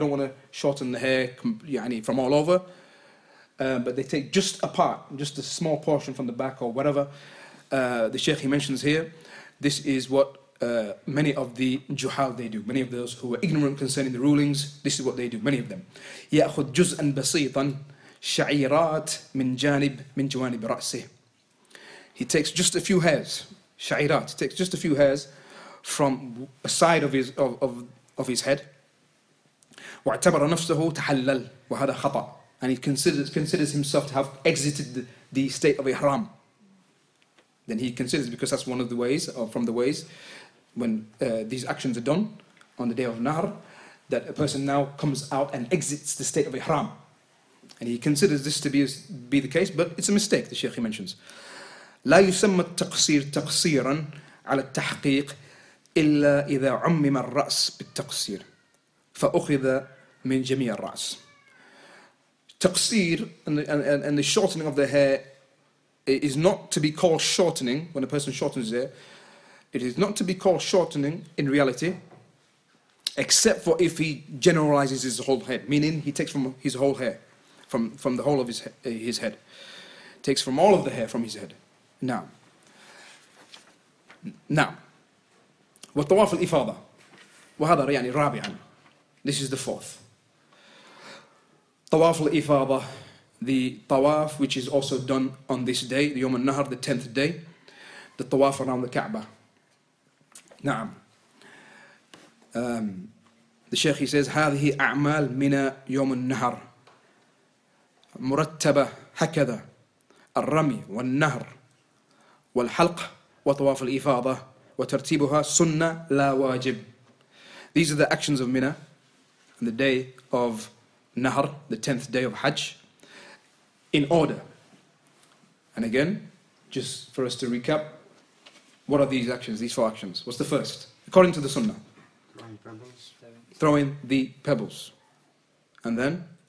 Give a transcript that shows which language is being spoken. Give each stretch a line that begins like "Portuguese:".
English: They don't want to shorten the hair from all over, but they take just a part, just a small portion from the back or whatever. The sheikh, he mentions here, this is what many of the juhal they do. Many of those who are ignorant concerning the rulings, this is what they do, many of them.
Arabic: يأخذ جزءا بسيطا شعيرات من جوانب رأسه.
English: He takes just a few hairs,
Arabic: شعيرات,
English: he takes just a few hairs from a side of his head.
Arabic: واعتبر نفسه تحلل وهذا خطأ.
English: And he considers himself to have exited the state of ihram. Then he considers, because that's one of the ways, or from the ways, when these actions are done on the day of Nahr, that a person now comes out and exits the state of ihram. And he considers this to be the case, but it's a mistake, the sheikh he mentions.
Arabic: لا يسمى التقصير تقصيرا على التحقيق إلا إذا عمم الرأس بالتقصير فأخذ من جميع الرأس.
English: تقصير and the shortening of the hair is not to be called shortening when a person shortens it. It is not to be called shortening in reality, except for if he generalizes his whole head, meaning he takes from his whole hair, from the whole of his head, takes from all of the hair from his head. Now,
Arabic: وطواف الإفاضة وهذا يعني رابعا.
English: This is the fourth.
Arabic: طواف الإفاضة,
English: the طواف, which is also done on this day, the
Arabic: يوم النهر,
English: the 10th day, the طواف around the Kaaba.
Arabic: نعم.
English: The Sheikh, he says,
Arabic: هذه أعمال من يوم النهر مرتبة هكذا الرمي والنهر والحلق وطواف الإفاضة وترتيبها سنة لا واجب.
English: These are the actions of Mina on the day of Nahr, the 10th day of Hajj, in order. And again, just for us to recap, what are these actions, these four actions? What's the first? According to the Sunnah. Throwing the pebbles. And then?